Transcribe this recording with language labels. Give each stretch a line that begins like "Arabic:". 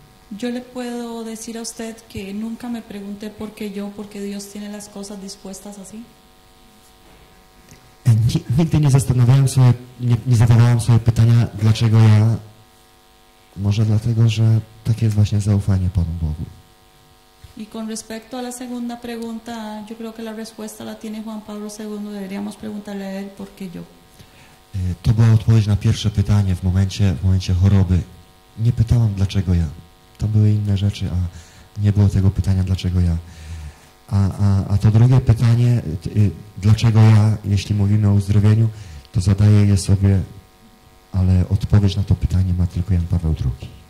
Spanish: Yo le puedo decir a usted que nunca me pregunté por qué yo, porque Dios tiene las cosas dispuestas así.
Polish: Nigdy nie zastanawiałem sobie, nie zadawałem sobie pytania, dlaczego ja. Może dlatego, że takie jest właśnie zaufanie Panu Bogu.
Spanish: Y con respecto a la segunda pregunta, yo creo que la respuesta la tiene Juan Pablo II. Deberíamos preguntarle a él por qué yo.
Polish: To była odpowiedź na pierwsze pytanie w momencie choroby. Nie pytałam, dlaczego ja. To były inne rzeczy, a nie było tego pytania, dlaczego ja. A to drugie pytanie, dlaczego ja, jeśli mówimy o uzdrowieniu, to zadaję je sobie, ale odpowiedź na to pytanie ma tylko Jan Paweł II.